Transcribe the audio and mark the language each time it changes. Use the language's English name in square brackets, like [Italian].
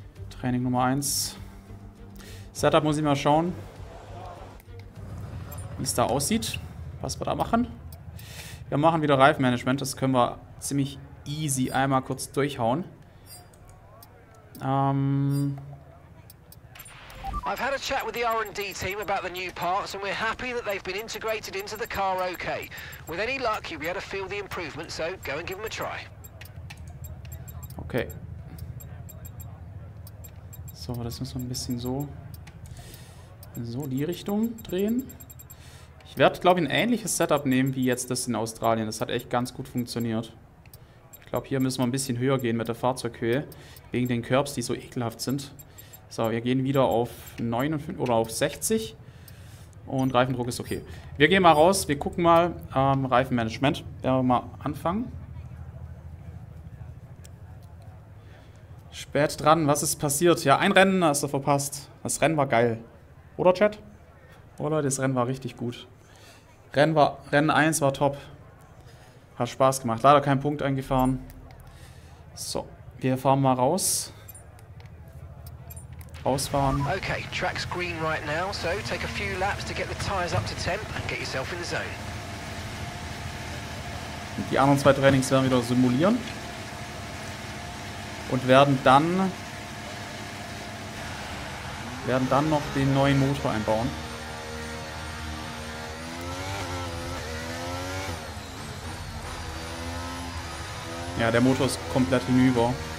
[German] Training Nummer 1. Setup muss ich mal schauen, wie es da aussieht, was wir da machen. Wir machen wieder Reifenmanagement, das können wir ziemlich easy einmal kurz durchhauen. [English] I've had a chat with the R&D team about the new parts and we're happy that they've been integrated into the car okay. With any luck, you'll be able to feel the improvement, so go and give them a try. Okay. [German] So, das müssen wir ein bisschen so in so die Richtung drehen. Ich werde, glaube ich, ein ähnliches Setup nehmen wie jetzt das in Australien. Das hat echt ganz gut funktioniert. Ich glaube, hier müssen wir ein bisschen höher gehen mit der Fahrzeughöhe, wegen den Curbs, die so ekelhaft sind. So, wir gehen wieder auf 59 oder auf 60 und Reifendruck ist okay. Wir gehen mal raus, wir gucken mal Reifenmanagement. Werden wir mal anfangen. Spät dran, was ist passiert? Ja, ein Rennen hast du verpasst. Das Rennen war geil. Oder, Chat? Oh, Leute, das Rennen war richtig gut. Rennen 1 war top. Hat Spaß gemacht. Leider keinen Punkt eingefahren. So, wir fahren mal raus. Ausfahren. [English] Okay, track's green right now, so take a few laps to get the tires up to temp and get yourself in the zone. [German] Die anderen zwei Trainings werden wieder simulieren. Und werden dann noch den neuen Motor einbauen. Ja, der Motor ist komplett hinüber.